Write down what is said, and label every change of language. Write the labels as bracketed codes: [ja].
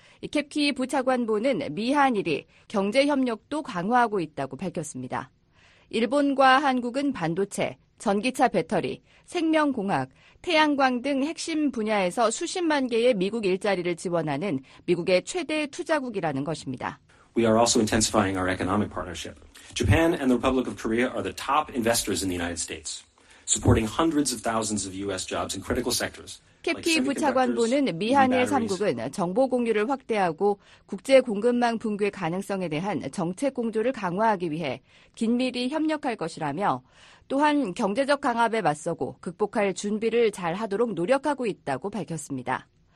[ko] 캡키 부차관보는 미한일이 경제협력도 강화하고 있다고 밝혔습니다. 일본과 한국은 반도체, 전기차 배터리, 생명공학, 태양광 등 핵심 분야에서 수십만 개의 미국 일자리를 지원하는 미국의 최대 투자국이라는 것입니다. [en] We are also intensifying our economic partnership. Japan and the Republic of Korea are the top investors in the United States, supporting hundreds of thousands of U.S. jobs in critical sectors. [ko] 캡키 부차관보는 미한일 3국은 정보 공유를 확대하고 국제 공급망 붕괴 가능성에 대한 정책 공조를 강화하기 위해 긴밀히 협력할 것이라며 또한 경제적 강압에 맞서고 극복할 준비를 잘 하도록 노력하고 있다고 밝혔습니다.